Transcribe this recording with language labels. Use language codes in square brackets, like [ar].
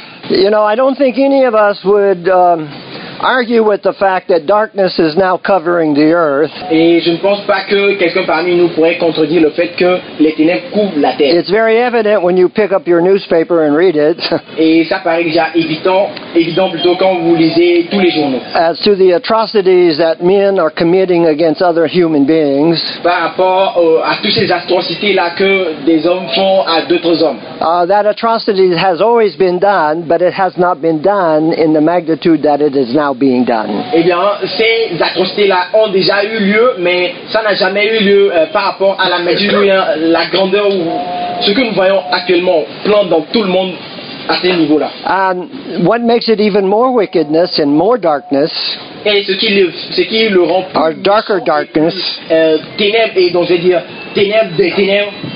[en] You know, I don't think any of us would argue with the fact that darkness is now covering the earth. [fr] Et je ne pense pas que quelqu'un parmi nous pourrait contredire le fait que les ténèbres couvrent la terre. [en] It's very evident when you pick up your newspaper and read it. [fr] Et ça paraît déjà évident plutôt quand vous lisez tous les journaux. [en] As to the atrocities that men are committing against other human beings. [fr] Par rapport à toutes ces atrocités là que des hommes font à d'autres hommes. [en] That atrocity has always been done, but it has not been done in the magnitude that it is now being done. [fr] Eh bien, ces atrocités-là ont déjà eu lieu, mais ça n'a jamais eu lieu par rapport à la mesure, la grandeur ou ce que nous voyons actuellement plein dans tout le monde à ces niveaux-là. [en] And what makes it even more wickedness and more darkness? [fr] Et ce qui le rend plus [en] our darker darkness, [fr] ténèbres et donc je veux dire ténèbres des ténèbres.